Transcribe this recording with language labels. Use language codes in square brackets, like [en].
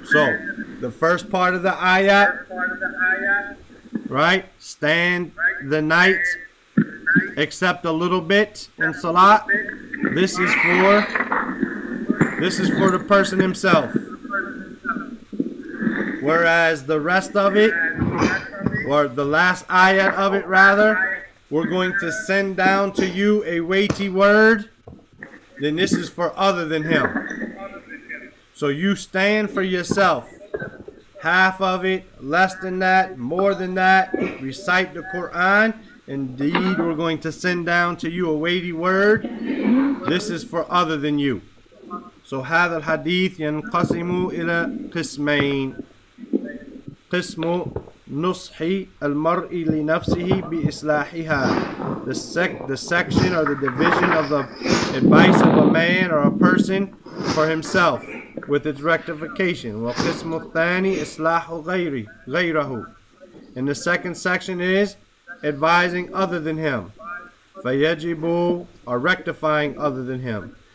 [en] So the first part of the ayah, right, stand the night except a little bit in salat, this is for the person himself, whereas the rest of it, or the last ayat of it rather, we're going to send down to you a weighty word, then this is for other than him. So you stand for yourself, half of it, less than that, more than that, recite the Quran. Indeed, we're going to send down to you a weighty word. This is for other than you. [ar] So, هذا الحديث ينقسم إلى قسمين. قسم نصح المرء لنفسه بإصلاحها. [en] The section or the division of the advice of a man or a person for himself with its rectification. [ar] وقسم الثاني إصلاح غيره. [en] And the second section is advising other than him. [ar] فَيَجِبُ, [en] or rectifying other than him.